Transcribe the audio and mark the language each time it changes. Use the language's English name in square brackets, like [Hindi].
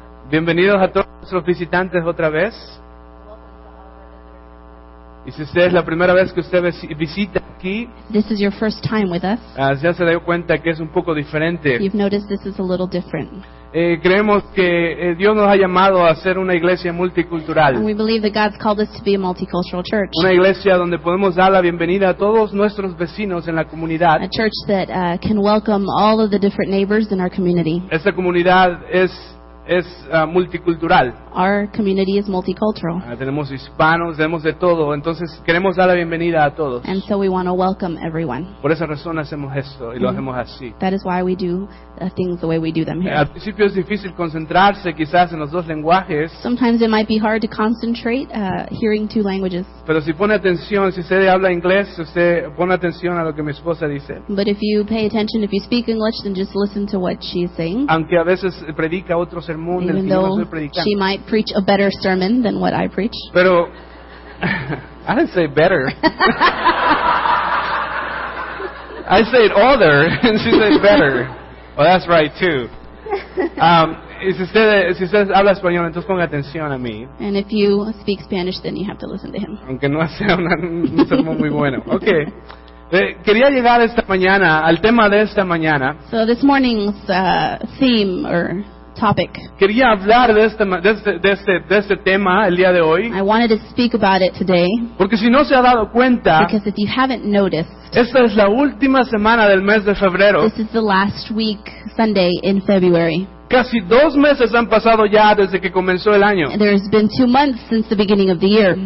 [Spanish] Bienvenidos a todos nuestros visitantes otra vez. Y si usted es la primera vez que usted visita aquí, [English] this is your first time with us. [Spanish] Ya se dio cuenta que es un poco diferente. [English] You've noticed this is a little different. [Spanish] Creemos que Dios nos ha llamado a ser una iglesia multicultural. [English] And we believe that God's called us to be a multicultural church. [Spanish] Una iglesia donde podemos dar la bienvenida a todos nuestros vecinos en la comunidad. [English] A church that can welcome all of the different neighbors in our community. [Spanish] Esta comunidad es multicultural. [English] Our community is multicultural. [Spanish] Tenemos hispanos, tenemos de todo. Entonces queremos dar la bienvenida a todos. [English] And so we want to welcome everyone. [Spanish] Por esa razón hacemos esto y lo hacemos así. [English] That is why we do things the way we do them here. [Spanish] Al principio es difícil concentrarse quizás en los dos lenguajes. [English] Sometimes it might be hard to concentrate hearing two languages. [Spanish] Pero si pone atención, si usted habla inglés, usted pone atención a lo que mi esposa dice. [English] But if you pay attention, if you speak English, then just listen to what she is saying. [Spanish] Aunque a veces predica otro sermón del que yo estoy predicando. [English] She might preach a better sermon than what I preach. [Spanish] Pero [English] I didn't say better. I said other, and she said better. Well, that's right too. [Spanish] Si usted habla español, entonces ponga atención a mí. [English] And if you speak Spanish, then you have to listen to him. [Spanish] Aunque no sea un sermón muy bueno. Okay. Quería llegar esta mañana al tema de esta mañana. [English] So this morning's theme or topic. [Spanish] Quería hablar de este tema el día de hoy. [English] I wanted to speak about it today. [Spanish] Porque si no se ha dado cuenta. [English] Because if you haven't noticed. [Spanish] Esta es la última semana del mes de febrero. [English] This is the last week Sunday in February. [Spanish] Casi dos meses han pasado ya desde que comenzó el año. [English] There's been 2 months since the beginning of the year.